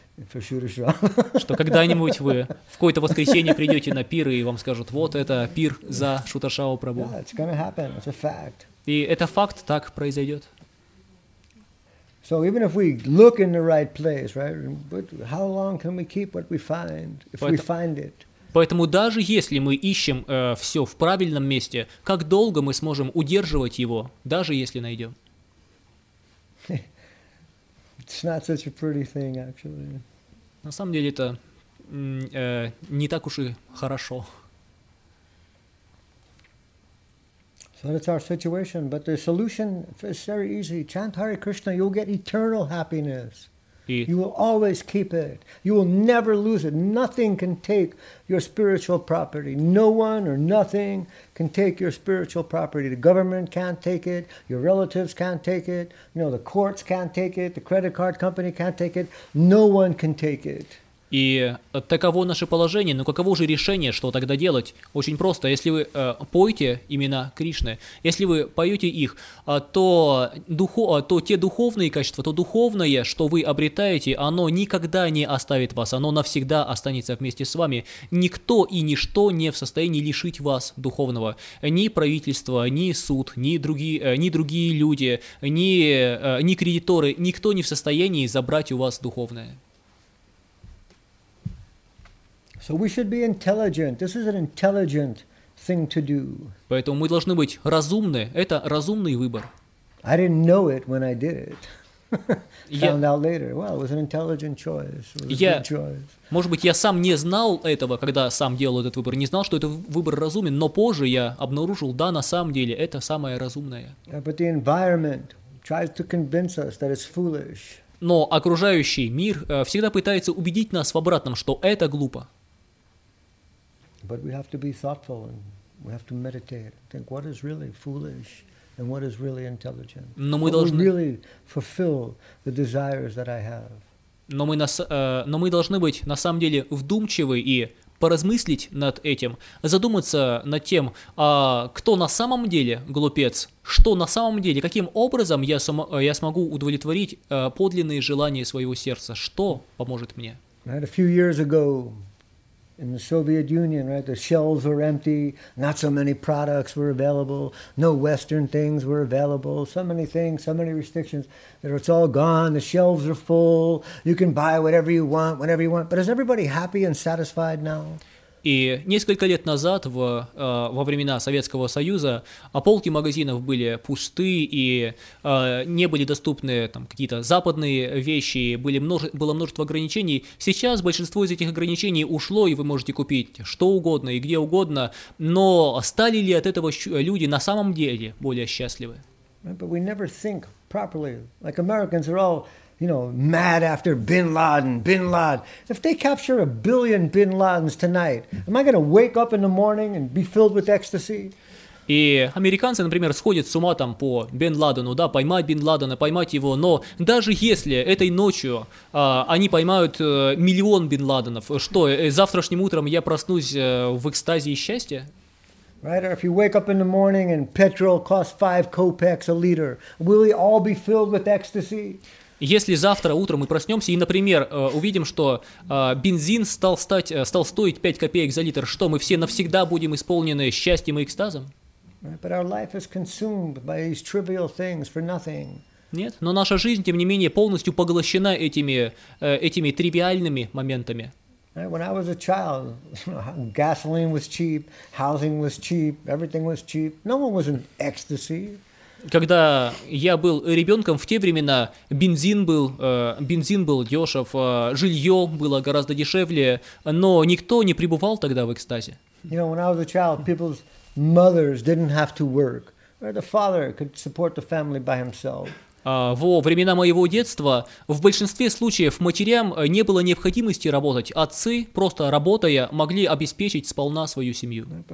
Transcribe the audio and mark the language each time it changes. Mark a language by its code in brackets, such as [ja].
[ru] Что когда-нибудь вы в какое-то воскресенье придете на пир, и вам скажут, вот это пир за Шуташау Прабу. [en] Yeah, it's gonna happen. It's a fact. [ru] И это факт, так произойдет. [en] So even if we look in the right place, right, but how long can we keep what we find, if we find it? [ru] Поэтому даже если мы ищем все в правильном месте, как долго мы сможем удерживать его, даже если найдем? [en] It's not such a pretty thing, actually. [ru] На самом деле это не так уж и хорошо. [en] So that's our situation, but the solution is very easy. Chant Hare Krishna, you'll get eternal happiness. You will always keep it. You will never lose it. Nothing can take your spiritual property. No one or nothing can take your spiritual property. The government can't take it. Your relatives can't take it. You know, the courts can't take it. The credit card company can't take it. No one can take it. [ru] И таково наше положение, но каково же решение, что тогда делать? Очень просто, если вы поете имена Кришны, если вы поете их, то те духовные качества, то духовное, что вы обретаете, оно никогда не оставит вас, оно навсегда останется вместе с вами. Никто и ничто не в состоянии лишить вас духовного. Ни правительство, ни суд, ни другие люди, ни кредиторы, никто не в состоянии забрать у вас духовное. [en] So we should be intelligent. This is an intelligent thing to do. [ru] Поэтому мы должны быть разумны. Это разумный выбор. [en] I didn't know it when I did it. Found out later. Well, it was an intelligent choice. It was a good choice. [ru] Может быть, я сам не знал этого, когда сам делал этот выбор, не знал, что этот выбор разумен, но позже я обнаружил, да, на самом деле, это самое разумное. [en] But the environment tries to convince us that it's foolish. [ru] Но окружающий мир всегда пытается убедить нас в обратном, что это глупо. [en] But we have to be thoughtful and we have to meditate. Think what is really foolish and what is really intelligent. [ru] Но мы [en] what [ru] должны [en] really fulfill the desires that I have. [ru] Но мы должны быть на самом деле вдумчивы и поразмыслить над этим, задуматься над тем, кто на самом деле глупец, что на самом деле, каким образом я смогу удовлетворить подлинные желания своего сердца, что поможет мне. [en] Right, a few years ago, in the Soviet Union, right, the shelves were empty, not so many products were available, no Western things were available, so many things, so many restrictions, that it's all gone, the shelves are full, you can buy whatever you want, whenever you want. But is everybody happy and satisfied now? [ru] И несколько лет назад, во времена Советского Союза, полки магазинов были пусты и не были доступны там, какие-то западные вещи, было множество ограничений. Сейчас большинство из этих ограничений ушло, и вы можете купить что угодно и где угодно, но стали ли от этого люди на самом деле более счастливы? [en] But we never think properly. Like Americans are all, you know, mad after Bin Laden, Bin Laden. If they capture a billion Bin Ladens tonight, am I going to wake up in the morning and be filled with ecstasy? [ru] И американцы, например, сходят с ума там по Бен Ладену, да, поймать Бен Ладена, поймать его, но даже если этой ночью они поймают миллион Бен Ладенов, что, завтрашним утром я проснусь в экстазе и счастье? [en] Right, or if you wake up in the morning and petrol costs 5 kopecks a liter, will we all be filled with ecstasy? [ru] Если завтра утром мы проснемся и, например, увидим, что бензин стал стоить 5 копеек за литр, что мы все навсегда будем исполнены счастьем и экстазом? [en] But our life is consumed by these trivial things for nothing. [ru] Нет, но наша жизнь, тем не менее, полностью поглощена этими тривиальными моментами. [en] When I was a child, gasoline was cheap, housing was cheap, everything was cheap. No one was in ecstasy. [ru] Когда я был ребенком, в те времена бензин был дешев, жилье было гораздо дешевле, но никто не пребывал тогда в экстазе. [en] You know, when I was a child, people's mothers didn't have to work. The father could support the family by himself. [ru] Во времена моего детства в большинстве случаев матерям не было необходимости работать. Отцы, просто работая, могли обеспечить сполна свою семью.